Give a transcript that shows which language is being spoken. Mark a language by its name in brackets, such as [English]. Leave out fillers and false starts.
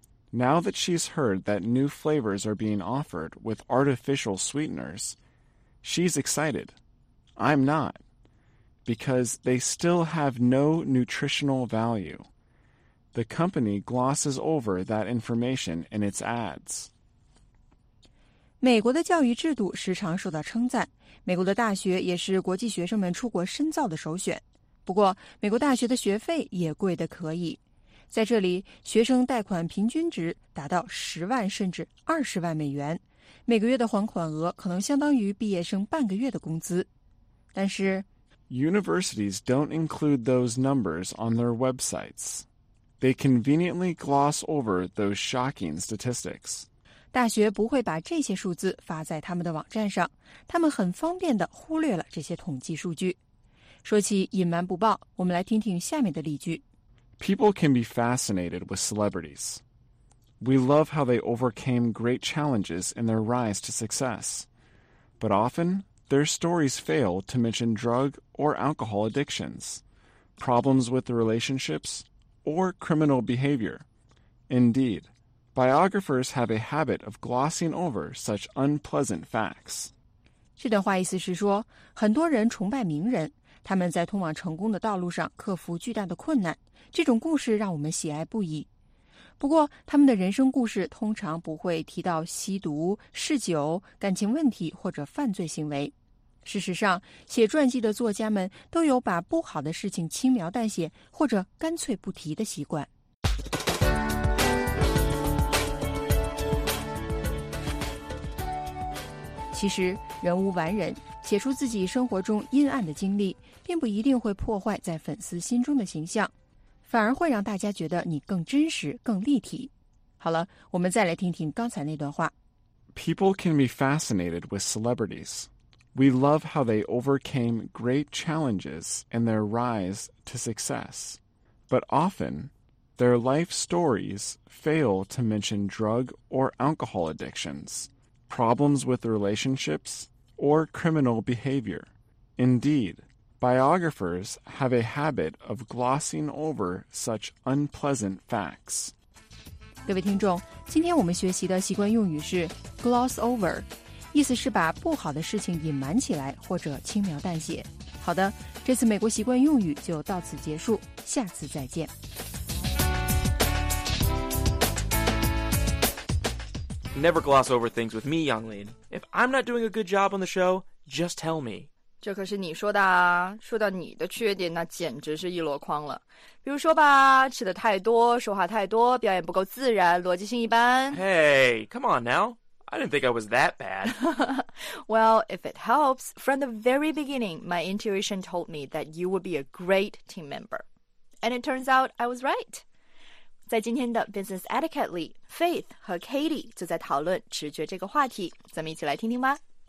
[English] Now that she's heard that new flavors are being offered with artificial sweeteners, she's excited. I'm not. Because they still have no nutritional value. The company glosses over that information in its ads. [Chinese] 美国的教育制度时常受到称赞，美国的大学也是国际学生们出国深造的首选。不过，美国大学的学费也贵得可以。在这里，学生贷款平均值达到10万甚至20万美元，每个月的还款额可能相当于毕业生半个月的工资。但是 [English] ，Universities don't include those numbers on their websites. They conveniently gloss over those shocking statistics. [Chinese] 大学不会把这些数字发在他们的网站上，他们很方便地忽略了这些统计数据。说起隐瞒不报，我们来听听下面的例句。 [English] People can be fascinated with celebrities. We love how they overcame great challenges in their rise to success. But often, their stories fail to mention drug or alcohol addictions, problems with relationships, or criminal behavior. Indeed, biographers have a habit of glossing over such unpleasant facts. [Chinese] 这段话意思是说，很多人崇拜名人，他们在通往成功的道路上克服巨大的困难，这种故事让我们喜爱不已。不过，他们的人生故事通常不会提到吸毒、嗜酒、感情问题或者犯罪行为。事实上，写传记的作家们都有把不好的事情轻描淡写或者干脆不提的习惯。其实，人无完人，写出自己生活中阴暗的经历，并不一定会破坏在粉丝心中的形象，反而会让大家觉得你更真实、更立体。好了，我们再来听听刚才那段话。 [English] People can be fascinated with celebrities. We love how they overcame great challenges in their rise to success. But often, their life stories fail to mention drug or alcohol addictions. Problems with relationships, or criminal behavior. Indeed, biographers have a habit of glossing over such unpleasant facts. [Chinese] 各位听众，今天我们学习的习惯用语是 gloss over, 意思是把不好的事情隐瞒起来或者轻描淡写。好的，这次美国习惯用语就到此结束，下次再见。 [English] Never gloss over things with me, Yonglin. If I'm not doing a good job on the show, just tell me. [Chinese] 这可是你说的啊。说到你的缺点，那简直是一箩筐了。比如说吧，吃的太多，说话太多，表演不够自然，逻辑性一般。 [English] Hey, come on now. I didn't think I was that bad. Well, if it helps, from the very beginning, my intuition told me that you would be a great team member. And it turns out I was right. [Chinese] 在今天的 Business Etiquette 里 ,Faith 和 Katie 就在讨论直觉这个话题。咱们一起来听听吧。